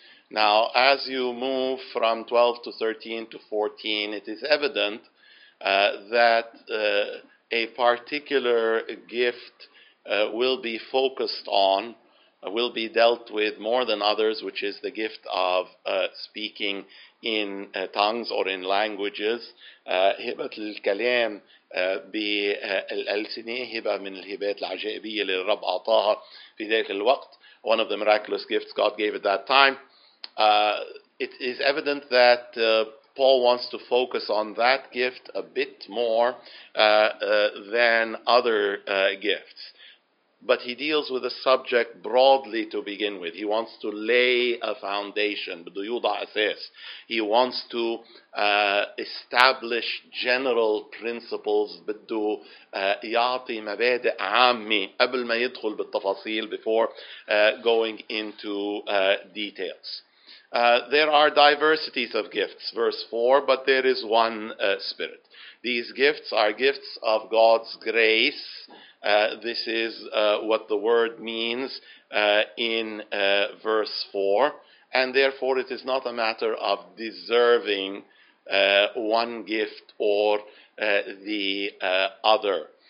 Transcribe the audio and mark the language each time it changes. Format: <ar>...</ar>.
<en>Now, as you move from 12 to 13 to 14, it is evident that a particular gift will be focused on, will be dealt with more than others, which is the gift of speaking in tongues or in languages.</en> <ar>هبة الكلام بالألسنة هبة من الهبات العجائبية اللي الرب أعطاها في ذلك الوقت.</ar> <en>One of the miraculous gifts God gave at that time. It is evident that Paul wants to focus on that gift a bit more than other gifts. But he deals with the subject broadly to begin with. He wants to lay a foundation. He wants to establish general principles.</en> <ar>بدو يعطي مبادئ عامة قبل ما يدخل بالتفاصيل</ar> <en>before going into details. There are diversities of gifts, verse 4, but there is one spirit. These gifts are gifts of God's grace. This is what the word means in verse 4. And therefore, it is not a matter of deserving one gift or the other.</en>